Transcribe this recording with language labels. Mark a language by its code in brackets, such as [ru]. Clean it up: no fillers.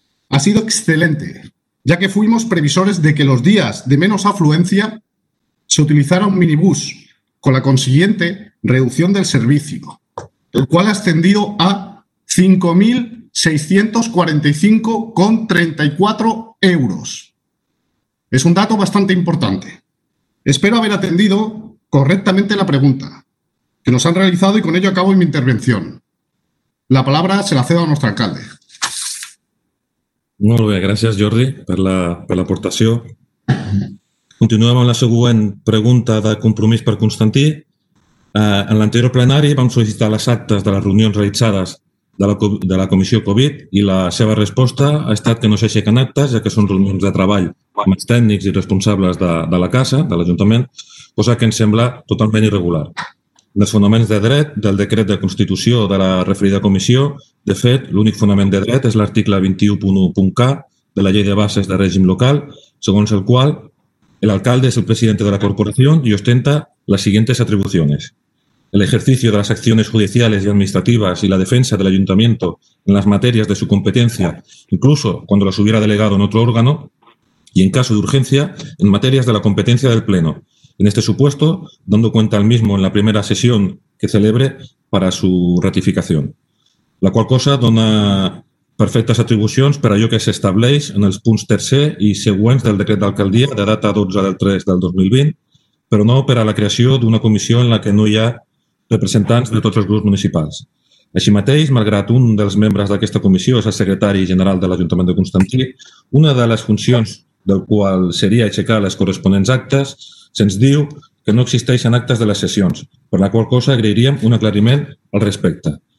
[es] Ha sido excelente, ya que fuimos previsores de que los días de menos afluencia se utilizara un minibús, con la consiguiente reducción del servicio, el cual ha ascendido a 5.645,34 €. Es un dato bastante importante. Espero haber atendido correctamente la pregunta que nos han realizado y con ello acabo mi intervención. La palabra se la cedo a nuestro alcalde. [ca] Molt bé, gràcies Jordi per l'aportació. Continuem amb la següent pregunta de compromís per Constantí. En l'anterior plenari vam sol·licitar les actes de les reunions realitzades de la comissió Covid i la seva resposta ha estat que no s'aixequen actes, ja que són reunions de treball amb els tècnics i responsables de la casa, de l'Ajuntament, cosa que ens sembla totalment irregular. En els fonaments de dret del decret de constitució de la referida comissió, de fet, l'únic fonament de dret és l'article 21.1.k de la llei de bases de règim local, segons el qual l'alcalde és el president de la corporació i ostenta les següents atribucions. [es] El ejercicio de las acciones judiciales y administrativas y la defensa del ayuntamiento en las materias de su competencia, incluso cuando las hubiera delegado en otro órgano, y en caso de urgencia, en materias de la competencia del Pleno. En este supuesto, dando cuenta al mismo en la primera sesión que celebre para su ratificación. [ca] La cual cosa dona perfectes atribucions per allò que s'estableix en els punts tercer i següents del decret d'alcaldia de data 12/3/2020, però no per a la creació d'una comissió en la que no hi ha representants de tots els grups municipals. Així mateix, malgrat un dels membres d'aquesta comissió és el secretari general de l'Ajuntament de Constantí, una de les funcions del qual seria aixecar les corresponents actes, se'ns diu que no existeixen actes de les sessions, per la qual cosa agrairíem un aclariment al respecte.